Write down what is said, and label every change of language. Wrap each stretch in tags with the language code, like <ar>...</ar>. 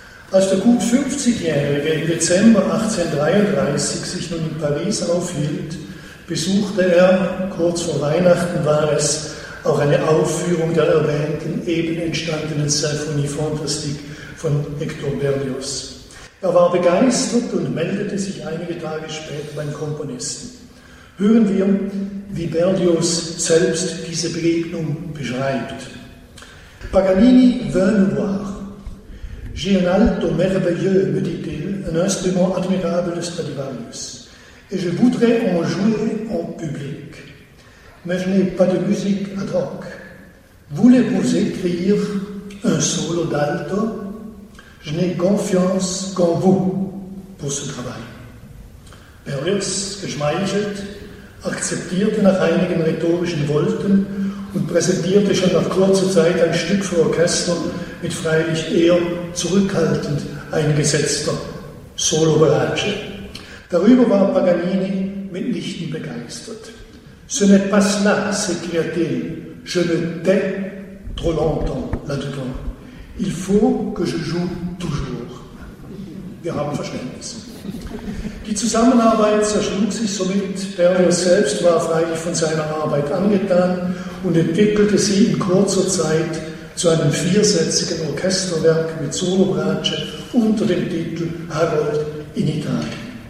<de>Als der gut 50-Jährige im Dezember 1833 sich nun in Paris aufhielt, besuchte er, kurz vor Weihnachten war es, auch eine Aufführung der erwähnten, eben entstandenen Symphonie Fantastique von Hector Berlioz. Er war begeistert und meldete sich einige Tage später beim Komponisten. Hören wir, wie Berlioz selbst diese Begegnung beschreibt.</de> <fr>Paganini veut me voir. J'ai un alto merveilleux, me dit-il, un instrument admirable de Stradivarius. Et je voudrais en jouer en public. Mais je n'ai pas de musique ad hoc. Voulez-vous écrire un solo d'alto? Je n'ai confiance qu'en vous pour ce travail.</fr> <de>Berlioz, geschmeichelt, akzeptierte nach einigen rhetorischen Wolten und präsentierte schon nach kurzer Zeit ein Stück für Orchester mit freilich eher zurückhaltend eingesetzter Solo-Bratsche. Darüber war Paganini mitnichten begeistert.</de> <fr>Ce n'est pas cela, s'écria-t-il. Je me tais trop longtemps là-dedans. Il faut que je joue toujours.</fr> <de>Wir haben Verständnis. Die Zusammenarbeit zerschlug sich somit. Berlioz selbst war freilich von seiner Arbeit angetan und entwickelte sie in kurzer Zeit zu einem viersätzigen Orchesterwerk mit Solobratsche unter dem Titel Harold in Italien.</de>